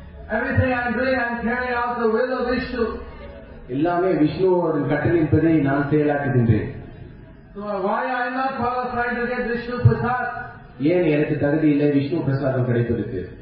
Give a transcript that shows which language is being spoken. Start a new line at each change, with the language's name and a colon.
English: Everything I'm doing, I'm carrying out the will of Vishnu.
Tamil: எல்லாமே விஷ்ணுவோட கட்டளையின்படி நான் செயலாக்குகின்றேன்.
English: So why I am not qualified to get Vishnu Prasad?
Tamil: ஏன் எனக்கு தகுதி இல்லை விஷ்ணு பிரசாதம் கிடைப்பதற்கு?